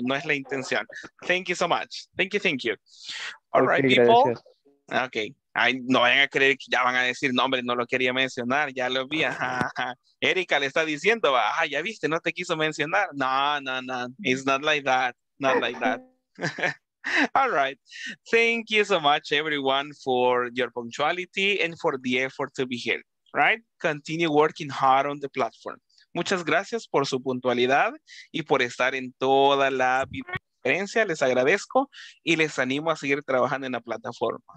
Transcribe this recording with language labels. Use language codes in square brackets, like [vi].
[es] No es la intención. [en] Thank you so much. Thank you. All right, people. Gracias. Okay. [es] Ay, no vayan a creer que ya van a decir, no, hombre, no lo quería mencionar, ya lo vi. Erika le está diciendo, ya viste, no te quiso mencionar. [en] No, it's not like that. All right. Thank you so much, everyone, for your punctuality and for the effort to be here, right? Continue working hard on the platform. [es] Muchas gracias por su puntualidad y por estar en toda la videoconferencia. Les agradezco y les animo a seguir trabajando en la plataforma.